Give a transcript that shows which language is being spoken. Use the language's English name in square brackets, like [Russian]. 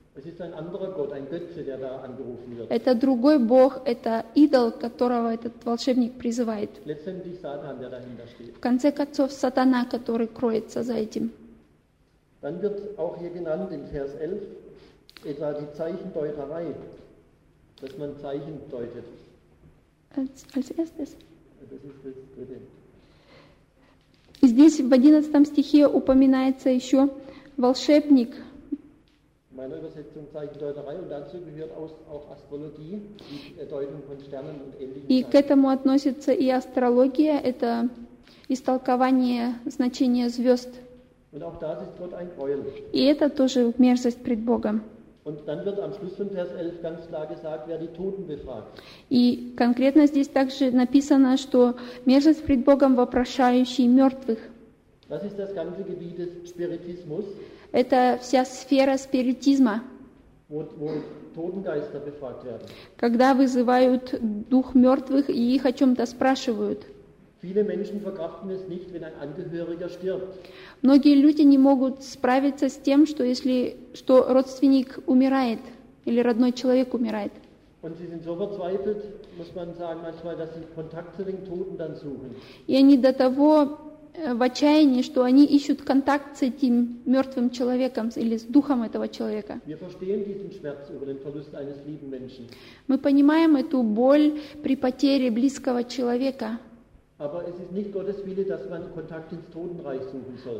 [German] Es ist ein anderer Gott, ein Götze, der da angerufen wird. [Russian] Это другой Бог, это идол, которого этот волшебник призывает. [German] Letztendlich Satan, der dahinter steht. [Russian] В конце концов, Сатана, который кроется за этим. [German] Dann wird auch hier genannt in Vers 11 etwa die Zeichendeuterei, dass man Zeichen deutet. Als erstes. Das ist das dritte. [Russian] Здесь в 11 стихе упоминается еще волшебник. [German] Meine Übersetzung zeigt Deuterei und dazu gehört auch Astrologie, die Deutung von Sternen und ähnlichen. [Russian] И к этому относится и астрология, это истолкование значения звезд. [German] Und auch das ist Gott ein Gräuel. [Russian] И это тоже мерзость пред Богом. [German] Und dann wird am Schluss von Vers 11 ganz klar gesagt, wer die Toten befragt. [Russian] И конкретно здесь также написано, что мерзость пред Богом вопрошающий мертвых. [German] Das ist das ganze Gebiet des Spiritismus. [Russian] Это вся сфера спиритизма. [German] Wo Totengeister befragt werden. [Russian] Когда вызывают дух мертвых и их о чем-то спрашивают. [German] Viele Menschen verkraften es nicht, wenn ein Angehöriger stirbt. [Russian] Многие люди не могут справиться с тем, что если что родственник умирает или родной человек умирает. [German] Und sie sind so verzweifelt, muss man sagen, manchmal, dass sie Kontakt zu den Toten dann suchen. [Russian] И они до того в отчаянии, что они ищут контакт с этим мертвым человеком или с духом этого человека. [German] Wir verstehen diesen Schmerz über den Verlust eines lieben Menschen. [Russian] Мы понимаем эту боль при потере близкого человека. [German] Aber es ist nicht Gottes Wille, dass man Kontakt ins Totenreich suchen soll.